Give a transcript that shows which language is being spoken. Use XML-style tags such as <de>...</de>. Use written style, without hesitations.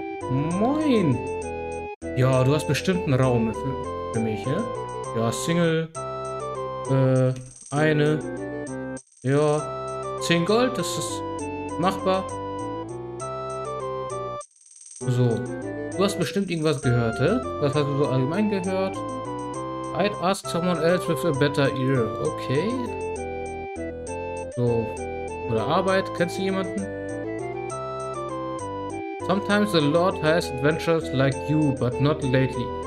<de>Moin. Ja, du hast bestimmt einen Raum für mich, ja? Ja, Single. Eine. Ja, 10 Gold, das ist... Machbar. So. Du hast bestimmt irgendwas gehört, hä? Was hast du so allgemein gehört?</de> <en>I'd ask someone else with a better ear.</en> <de>Okay. So. Oder Arbeit. Kennst du jemanden?</de> <en>Sometimes the Lord has adventures like you, but not lately.</en>